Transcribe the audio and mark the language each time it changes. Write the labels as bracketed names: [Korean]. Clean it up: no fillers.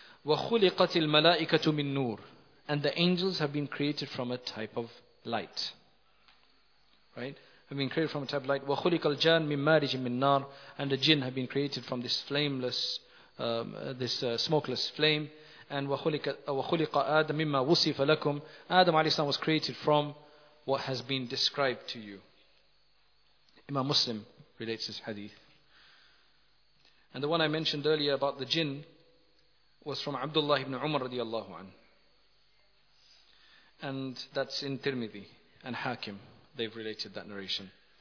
[Arabic] وَخُلِقَتِ الْمَلَائِكَةُ مِنْ نُورٍ. [English] And the angels have been created from a type of light. Right? Have been created from a type of light. [Arabic] وَخُلِقَ الْجَانِ مِنْ مَارِجٍ مِنْ نَارٍ. [English] And the jinn have been created from this flameless, smokeless flame. [Arabic] And وَخُلِقَ آدَمَ مِمَّا وُصِفَ لَكُمْ. [English] Adam alayhi salam was created from what has been described to you. Imam Muslim relates this hadith. And the one I mentioned earlier about the jinn was from Abdullah ibn Umar radiallahu anhu. And that's in Tirmidhi and Hakim. They've related that narration.